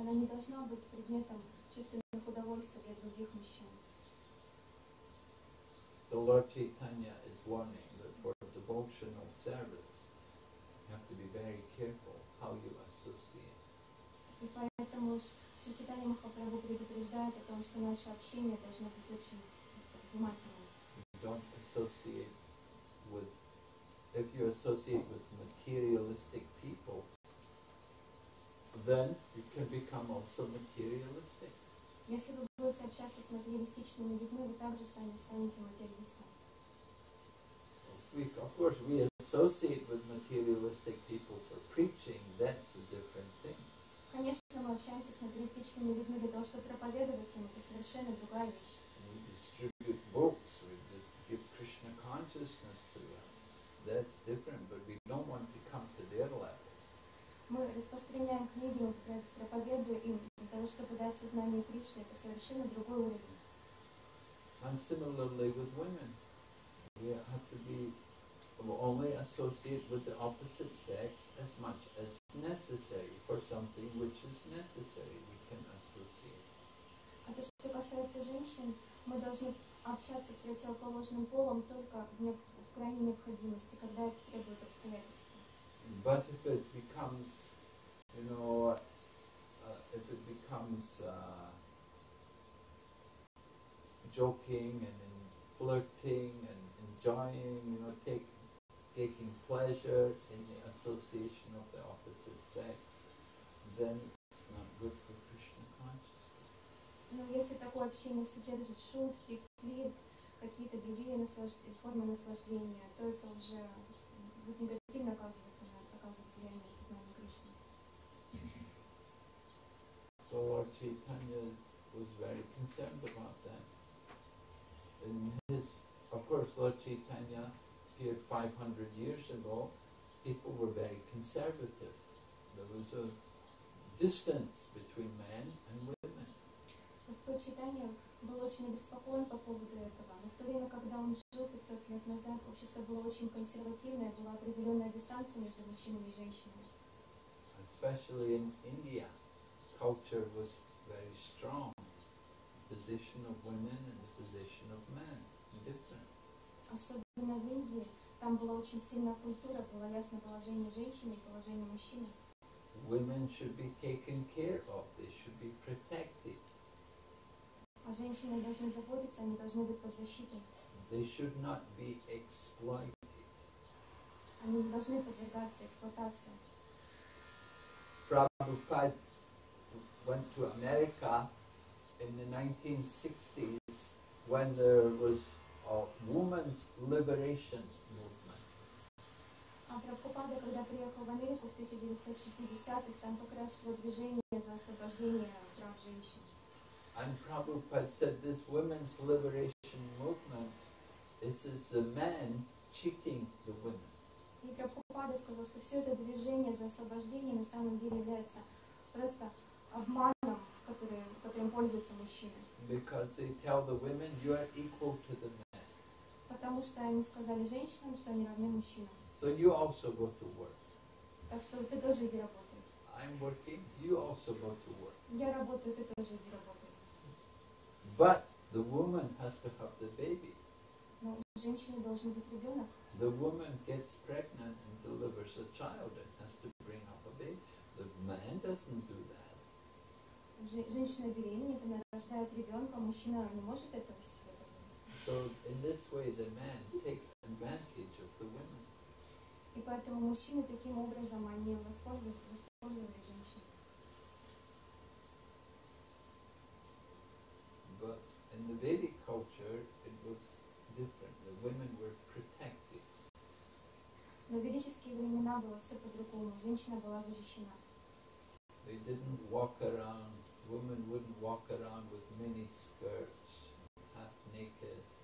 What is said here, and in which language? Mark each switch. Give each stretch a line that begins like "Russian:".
Russian: Она не должна быть предметом чувственных удовольствий для других мужчин.
English: So Lord Chaitanya is warning that for devotional service, you have to be very careful how you associate.
Russian: И поэтому Чайтанья Махапрабху предупреждает о том, что наше общение должно быть очень внимательным.
English: Don't associate with, if you associate with materialistic people, then you can become also materialistic.
Russian: Если вы будете общаться с материалистичными людьми, вы также сами станете материалистом.
English: Of course, we associate with materialistic people for preaching, that's a different thing.
Russian: Конечно, мы общаемся с материалистичными людьми для того, чтобы проповедовать им, это совершенно другая вещь.
English: We distribute books, we give Krishna consciousness to them. That's different, but we don't want to come to their level.
Russian: Мы распространяем книги, проповедуем им для того, чтобы дать сознание Кришне, это совершенно другой уровень.
English: And similarly with women, we have to be only associate with the opposite sex as much as necessary for something which is necessary. We can associate.
Russian: А то, что касается женщин, мы должны общаться с противоположным полом только в крайней необходимости, когда это требует обстоятельства.
English: But if it becomes, you know, if it becomes joking and flirting and enjoying, you know, taking pleasure in the association of the opposite sex, then it's not good for Krishna consciousness.
Russian: Но если такое общение содержит шутки, флирт, какие-то другие формы наслаждения, то это уже будет негативно оказывать влияние на сознание Кришны.
English: So Lord Chaitanya was very concerned about that. In his, of course, Lord Chaitanya appeared 500 years ago, people were very conservative. There was a distance between men and women.
Russian: Почитание был очень обеспокоен по поводу этого, но в то время, когда он жил 500 лет назад, общество было очень консервативное, была определенная дистанция между мужчинами и женщинами.
English: Especially in India, culture was very strong. Position of women and the position of men different.
Russian: Особенно в Индии, там была очень сильная культура, было ясно положение женщины и положение мужчины.
English: Women should be taken care of, they should be protected.
Russian: А женщины должны заботиться, они должны быть под защитой.
English: They should not be exploited.
Russian: Они не должны подвергаться эксплуатации.
English: Prabhupada went to America in the 1960s when there was a women's liberation movement.
Russian: А Прабхупада, когда приехал в Америку в 1960-х, там как раз шло движение за освобождение прав женщин.
English: And Prabhupada said this women's liberation movement, this is the men cheating the women.
Russian: И Прабхупада сказал, что все это движение за освобождение на самом деле является просто обманом, которым пользуются мужчины.
English: Because they tell the women, you are equal to the men.
Russian: Потому что они сказали женщинам, что они равны мужчинам.
English: So you also go to work.
Russian: Так что ты тоже иди работай.
English: I'm working, you also go to work.
Russian: Я работаю, ты тоже иди работай.
English: But the woman has to have the baby.
Russian: Но у женщины должен быть ребенок.
English: The woman gets pregnant and delivers a child and has to bring up a baby. The man doesn't do that.
Russian: Женщина беременна, она рождает ребенка, мужчина не может этого себе позволить.
English: So in this way the man takes advantage of the women.
Russian: И поэтому мужчины таким образом они воспользовали женщин.
English: In the Vedic culture, it was different. The women were protected.
Russian: Но в ведические времена было все по-другому. Женщина была защищена.
English: They didn't walk around. Women wouldn't walk around with mini skirts, half naked.